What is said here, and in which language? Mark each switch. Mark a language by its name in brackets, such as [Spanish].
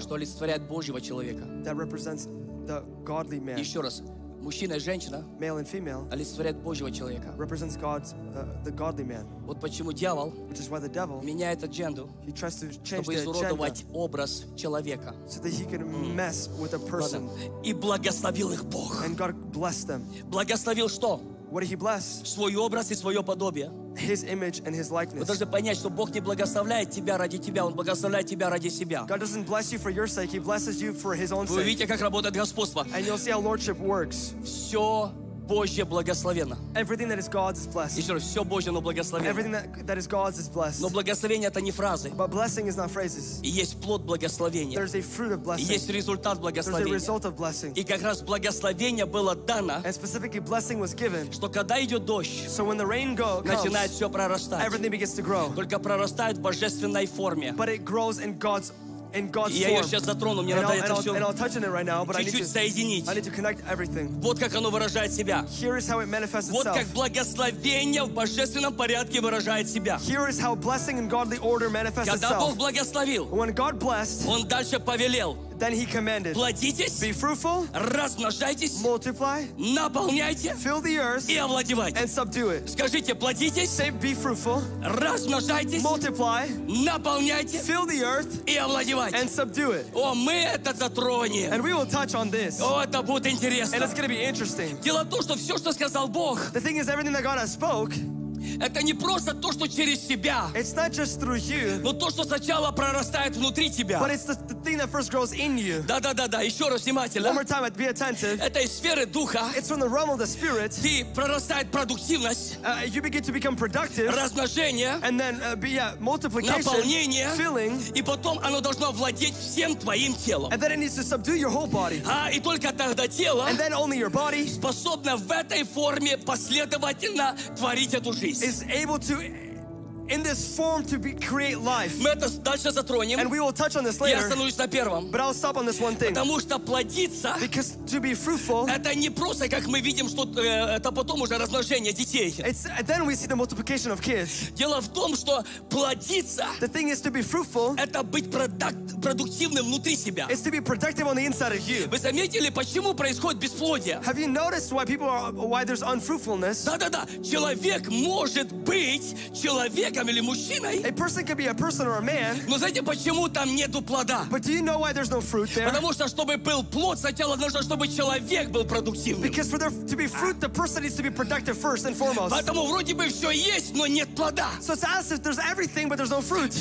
[Russian] Что олицетворяет Божьего человека. [English] That represents the godly man. [Russian] Еще раз. Мужчина и женщина [English] male and female, [Russian] олицетворяют Божьего человека. [English] Represents God's, the godly man. [Russian] Вот почему дьявол [English] which is why the devil, [Russian] меняет адженду, [English] he tries to change [Russian] чтобы изуродовать образ человека. [English] So that he can mess with a person. [Russian] И благословил их Бог. [English] And God blessed them. [Russian] Благословил что? [English] What did he bless? [Russian] Свой образ и свое подобие. [English] His image and his likeness. [Russian] Вы должны понять, что Бог не благословляет тебя ради тебя, Он благословляет тебя ради себя. [English] God doesn't bless you for your sake, He blesses you for His own sake. [Russian] Вы увидите, как работает господство. [English] And you'll see how lordship works. [Russian] Все Божье благословено. [English] Everything that is God's is blessed. [Russian] Еще раз, все Божье, но благословено. [English] Everything that is God's is blessed. [Russian] Но благословение это не фразы. [English] But blessing is not phrases. [Russian] И есть плод благословения. [English] There's a fruit of blessing. [Russian] И есть результат благословения. [English] There's a result of blessing. [Russian] И как раз благословение было дано. [English] And specifically blessing was given. [Russian] Что когда идет дождь, [English] so when the rain comes, [Russian] начинает все прорастать. [English] Everything begins to grow. [Russian] Только прорастает в божественной форме. [English] But it grows in God's In God's [Russian] я ее сейчас затрону, мне [English] and [Russian] надо [English] I'll, [Russian] это [English] I'll, [Russian] все [English] and I'll touch on it right now, but [Russian] чуть-чуть [English] I need to, [Russian] соединить. [English] I need to connect everything. [Russian] Вот как оно выражает себя. [English] Here is how it manifests itself. [Russian] Вот как благословение в божественном порядке выражает себя. [English] Here is how blessing in godly order manifests [Russian] Когда [English] itself. [Russian] Бог благословил, [English] When God blessed, [Russian] Он дальше повелел. [English] Then he commanded, [Russian] Плодитесь, [English] be fruitful, [Russian] размножайтесь, [English] multiply, [Russian] наполняйте, [English] fill the earth, [Russian] и овладевайте. [English] And subdue it. [Russian] Скажите, плодитесь, [English] say, be fruitful, [Russian] размножайтесь, [English] multiply, [Russian] наполняйте, [English] fill the earth, [Russian] и овладевайте. [English] And subdue it. [Russian] О, мы это затронем. [English] And we will touch on this. [Russian] О, это будет интересно. [English] And it's going to be interesting. [Russian] Дело в том, что все, что сказал Бог, [English] the thing is, everything that God has spoke, [Russian] это не просто то, что через себя. [English] It's not just through you. [Russian] Но то, что сначала прорастает внутри тебя. [English] But it's the thing that first grows in you. [Russian] Да-да-да-да. Еще раз внимательно. [English] One more time, be attentive. [Russian] Это из сферы духа. [English] It's from the realm of the spirit. [Russian] Ты прорастает продуктивность. [English] You begin to become productive. [Russian] Размножение. [English] And then, multiplication. [Russian] Наполнение. [English] Filling. [Russian] И потом оно должно владеть всем твоим телом. [English] And then it needs to subdue your whole body. [Russian] А, и только тогда тело. [English] And then only your body. [Russian] Способно в этой форме последовательно творить эту жизнь. [English] Is able to in this form to be, create life. [Russian] Мы это дальше затронем. [English] And we will touch on this later. [Russian] Я остановлюсь на первом. [English] But I'll stop on this one thing. [Russian] Потому что плодиться. [English] Because to be fruitful. [Russian] Это не просто, как мы видим, что это потом уже размножение детей. [English] It's then we see the multiplication of kids. [Russian] Дело в том, что плодиться. [English] The thing is to be fruitful. [Russian] Это быть продуктивным внутри себя. [English] It's to be productive on the inside of you. [Russian] Вы заметили, почему происходит бесплодие? [English] Have you noticed why people are why there's unfruitfulness? [Russian] Да-да-да. Человек может быть человек. Или мужчиной, [English] a person can be a person or a man. [Russian] Но знаете, почему там нету плода? [English] But do you know why there's no fruit there? [Russian] Потому что чтобы был плод, сначала нужно, чтобы человек был продуктивным. [English] Because for there to be fruit, the person needs to be productive first and foremost. [Russian] Поэтому вроде бы все есть, но нет плода. [English] So it's as if there's everything, but there's no fruit.